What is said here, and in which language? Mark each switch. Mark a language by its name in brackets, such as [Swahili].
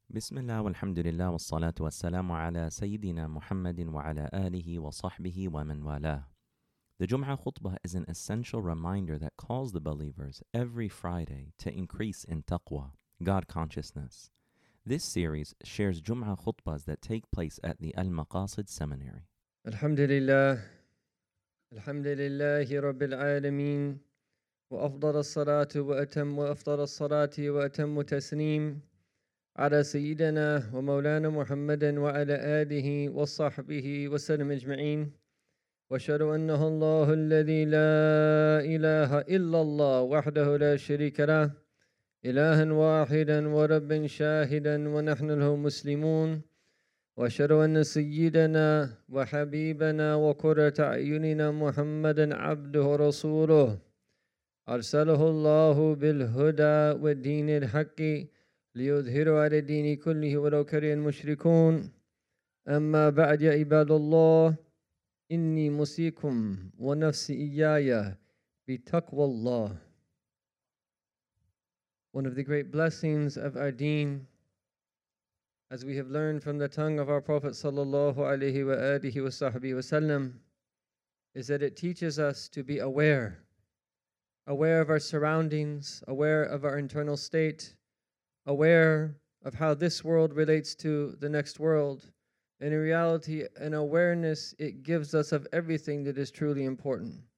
[Arabic] بسم الله والحمد لله والصلاة والسلام على سيدنا محمد وعلى آله وصحبه ومن والاه. [English] The Jum'ah khutbah is an essential reminder that calls the believers every Friday to increase in taqwa, God consciousness. This series shares Jum'ah khutbahs that take place at the Al-Maqasid Seminary. [Arabic] الحمد لله الحمد لله رب العالمين وأفضل الصلاة وأتم وأفضل الصلاة وأتم تسليم على سيدنا ومولانا محمد وعلى آله وصحبه وسلم أجمعين وأشهد أن الله الذي لا إله إلا الله وحده لا شريك له إلها واحدا ورب شاهدا ونحن له مسلمون وأشهد أن سيدنا وحبيبنا وقرة أعيننا محمدا عبده ورسوله أرسله الله بالهدى والدين الحق ليظهروا على الدين كله ولو كره المشركون أما بعد يا عباد الله إني موصيكم ونفسي إياي بتقوى الله. [English] One of the great blessings of our deen, as we have learned from the tongue of our Prophet sallallahu alayhi wa alihi wa sahbihi wa sallam, is that it teaches us to be aware of our surroundings, aware of our internal state, aware of how this world relates to the next world, and in reality, an awareness it gives us of everything that is truly important.